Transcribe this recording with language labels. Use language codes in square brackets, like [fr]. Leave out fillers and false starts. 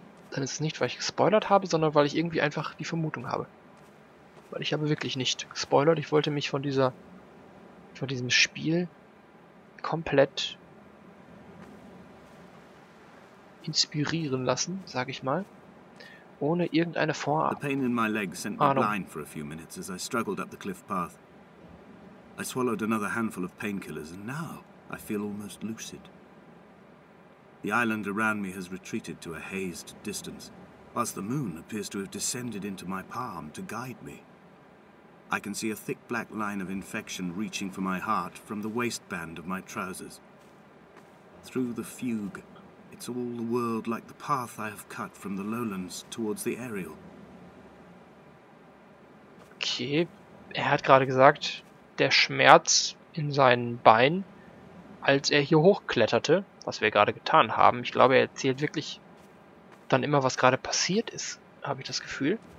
[de] Dann ist es nicht, weil ich gespoilert habe, sondern weil ich irgendwie einfach die Vermutung habe. Weil ich habe wirklich nicht gespoilert. Ich wollte mich von diesem Spiel komplett inspirieren lassen, sage ich mal, ohne irgendeine Vorahnung. [en] The pain in my leg sent me blind for a few minutes as I struggled up the cliff path. I swallowed another handful of painkillers and now I feel almost lucid. The island around me has retreated to a hazed distance, whilst the moon appears to have descended into my palm to guide me. I can see a thick black line of infection reaching for my heart from the waistband of my trousers. Through the fugue, it's all the world like the path I have cut from the lowlands towards the aerial. [de] Okay, er hat gerade gesagt, der Schmerz in seinen Beinen, als er hier hochkletterte, was wir gerade getan haben. Ich glaube, er erzählt wirklich dann immer, was gerade passiert ist, habe ich das Gefühl.